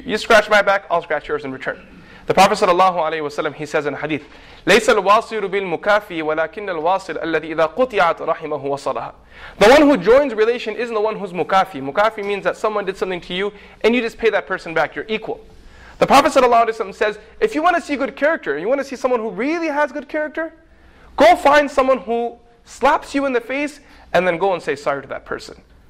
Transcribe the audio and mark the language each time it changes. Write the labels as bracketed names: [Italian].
[English] You scratch my back, I'll scratch yours in return. The Prophet sallallahu alaihi wasallam, he says in hadith, [Arabic] لَيْسَ الْوَاصِلُ بِالْمُكَافِي وَلَكِنَّ الْوَاصِلُ الَّذِي إِذَا قُطِعَتْ رَحِمَهُ وَصَلَهَا. [English] The one who joins relation isn't the one who's mukafi. Mukafi means that someone did something to you and you just pay that person back, you're equal. The Prophet sallallahu alaihi wasallam says, if you want to see good character, you want to see someone who really has good character, go find someone who slaps you in the face and then go and say sorry to that person.